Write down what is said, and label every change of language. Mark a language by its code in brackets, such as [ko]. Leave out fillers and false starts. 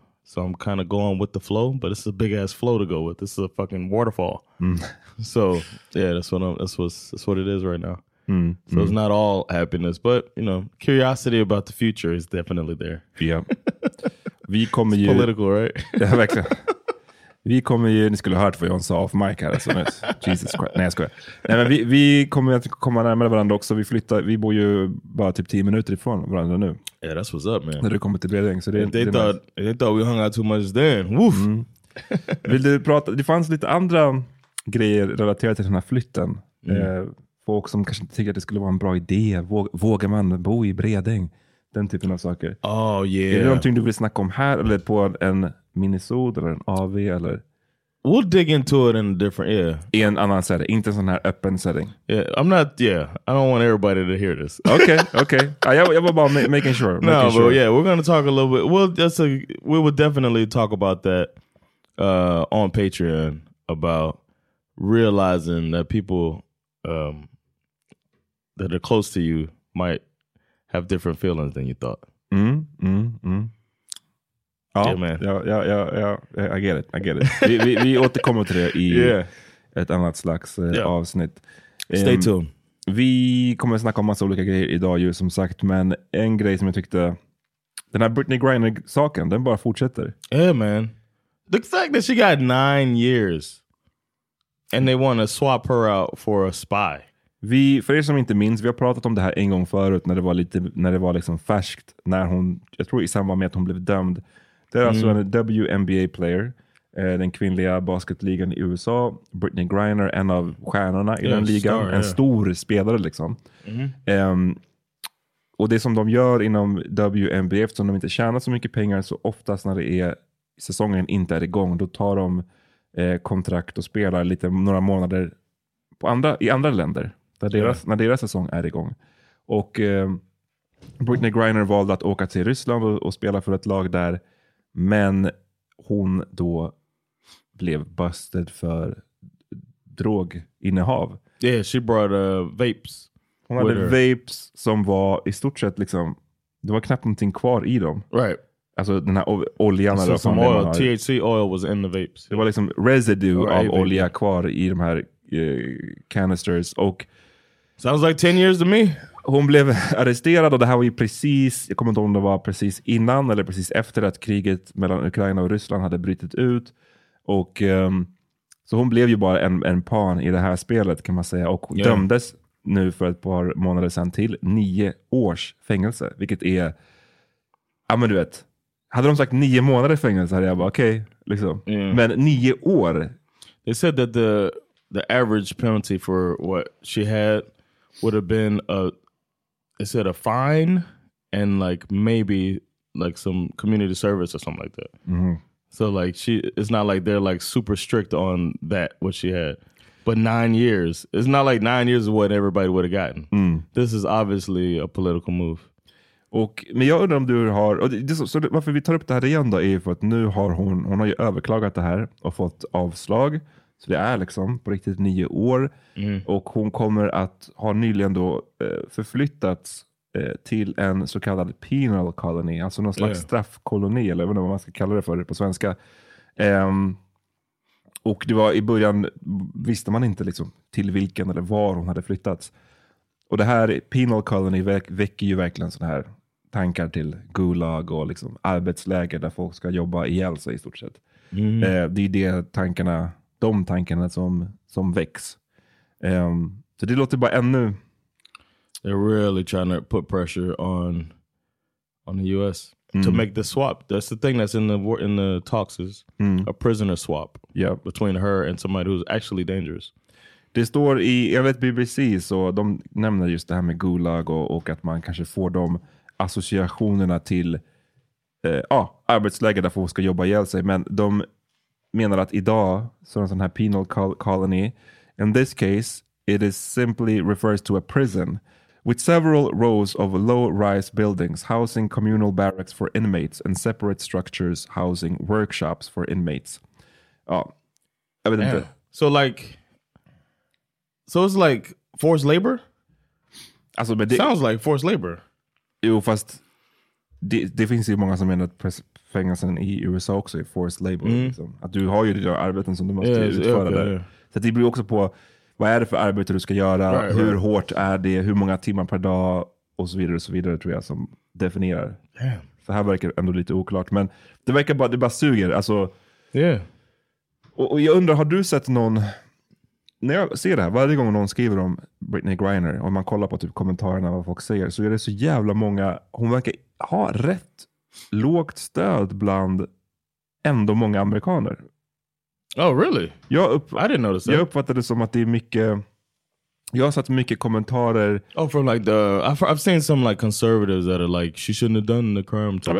[en] So I'm kind of going with the flow, but it's a big ass flow to go with. This is a fucking waterfall. Mm. So yeah, that's what it is right now. Mm. So it's not all happiness, but you know, curiosity about the future is definitely there. [sv] Yeah. Vi kommer [en] it's [sv] ju [en] political, right? [sv] Ja, verkligen. Vi kommer ju, ni skulle hört vad jag sa off mic här, alltså, Jesus Christ. Nej, jag skojar. Nej, men vi kommer att komma närmare varandra också. Vi bor ju bara typ 10 minuter ifrån varandra nu. [en] Yeah, that's what's up, man. [sv] När du kommer till Bredäng. [en] They thought we hung out too much then. Woof. Mm. [sv] Vill du prata? Det fanns lite andra grejer relaterat till den här flytten. Mm. Folk som kanske inte tycker att det skulle vara en bra idé. Vågar man bo i Bredäng? Den typen av saker. [en] Oh, yeah. [sv] Är det någonting du vill snacka om här eller på en Minnesota eller en AV eller? [en] We'll dig into it in a different, yeah. [sv] I en annan setting, inte en sån här öppen setting. [en] Yeah, I don't want everybody to hear this. [sv] Okay. Jag var bara [en] making sure. No, but yeah, we're gonna talk a little bit. We will definitely talk about that on Patreon about realizing that people that are close to you might have different feelings than you thought. Mm, mm, mm. Yeah, man. I get it. [sv] Vi återkommer till det i ett annat slags avsnitt. [en] Stay tuned. [sv] Vi kommer att snacka om massa olika grejer idag ju, som sagt. Men en grej som jag tyckte, den här Brittney Griner-saken, den bara fortsätter. [en] Yeah, man. The fact that she got 9 years and they want to swap her out for a spy. [sv] Vi, för er som inte minns, vi har pratat om det här en gång förut när det var lite, när det var liksom färskt, när hon, jag tror i samband med att hon blev dömd. Det är alltså en WNBA player, den kvinnliga basketligan i USA, Brittany Griner, en av stjärnorna i den ligan, star, en stor spelare liksom. Och det som de gör inom WNBA, eftersom de inte tjänar så mycket pengar, så oftast när det är säsongen inte är igång, då tar de kontrakt och spelar lite några månader på andra, i andra länder där deras, när deras säsong är igång. Och Brittany Griner valde att åka till Ryssland och spela för ett lag där, men hon då blev busted för droginnehav. [en] Yeah, she brought vapes. [sv] Hon hade vapes som var i stort sett liksom, det var knappt någonting kvar i dem. [en] Right. [sv] Alltså den här oljan. Så som [en] oil, THC oil was in the vapes. [sv] Det var liksom residue av olja kvar i de här canisters. Och [en] sounds like 10 years to me. [sv] Hon blev arresterad, och det här var ju precis, jag kommer inte ihåg om det var precis innan eller precis efter att kriget mellan Ukraina och Ryssland hade brutit ut. Och så hon blev ju bara en pawn i det här spelet, kan man säga. Och dömdes nu för ett par månader sedan till 9 års fängelse. Vilket är, ja men du vet, hade de sagt 9 månader i fängelse hade jag bara, okej, okay, liksom. Yeah. Men 9 år. [en] They said that the average penalty for what she had would have been a, they said a fine and like maybe like some community service or something like that. Mm-hmm. So like she, it's not like they're like super strict on that, what she had. But 9 years, it's not like 9 years is what everybody would have gotten. Mm. This is obviously a political move. [sv] Och, men jag undrar om du har, och det, så varför vi tar upp det här igen då är för att nu har hon har ju överklagat det här och fått avslag. Så det är liksom på riktigt 9 år. Och hon kommer att ha nyligen då förflyttats till en så kallad penal colony. Alltså någon slags straffkoloni, eller vad man ska kalla det för på svenska. Och det var i början, visste man inte liksom till vilken eller var hon hade flyttats. Och det här penal colony väcker ju verkligen sådana här tankar till gulag och liksom arbetsläger där folk ska jobba ihjäl sig i stort sett. Mm. Det är de tankarna som väcks. Så det låter bara ännu. [en] They're really trying to put pressure on the US to make the swap. That's the thing that's in the talks is a prisoner swap. Yeah, between her and somebody who's actually dangerous. [sv] Det står i, jag vet, BBC, så de nämner just det här med gulag och att man kanske får de associationerna till arbetsläger där folk ska jobba ihjäl sig. Men de menar att idag så är en sån här penal colony. [en] In this case, it is simply refers to a prison with several rows of low-rise buildings housing communal barracks for inmates and separate structures housing workshops for inmates. So like, so it's like forced labor? [sv] Alltså, men det [en] sounds like forced labor. [sv] Jo, fast det finns ju många som menar att fängelsen i USA också är [en] forced labor. [sv] Liksom. Att du har ju de arbeten som du måste utföra där. Så det beror också på, vad är det för arbete du ska göra? [en] Right, [sv] hur [en] right. [sv] hårt är det? Hur många timmar per dag? Och så vidare, tror jag, som definierar. [en] Damn. [sv] Så här verkar ändå lite oklart. Men det verkar bara, det bara suger. Alltså, [en] yeah. [sv] Och jag undrar, har du sett någon, när jag ser det här, varje gång någon skriver om Brittany Griner, om man kollar på typ kommentarerna vad folk säger, så är det så jävla många, hon verkar ha rätt lågt stöd bland ändå många amerikaner. [en] Oh, really? I didn't notice that. [sv] Jag uppfattade det som att det är mycket, jag har sett mycket kommentarer. [en] Oh, from like I've seen some like conservatives that are like, she shouldn't have done the crime.